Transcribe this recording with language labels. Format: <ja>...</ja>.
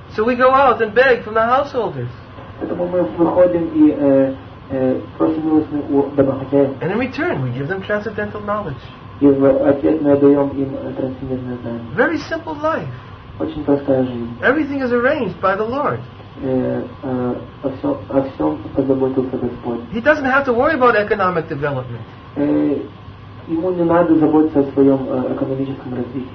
<en>So we go out and beg from the householders.</en> <ru>Поэтому мы выходим и просим милостыню у домохозяев.</ru> <en>And in return we give them transcendental knowledge.</en> <ru>И в ответ мы даем им трансцендентное знание.</ru> <en>Very simple life.</en> <ru>Очень простая жизнь.</ru> <en>Everything is arranged by the Lord.</en> <ru>О всем позаботился Господь.</ru> <en>He doesn't have to worry about economic development.</en> <ru>Ему не надо заботиться о своем экономическом развитии.</ru>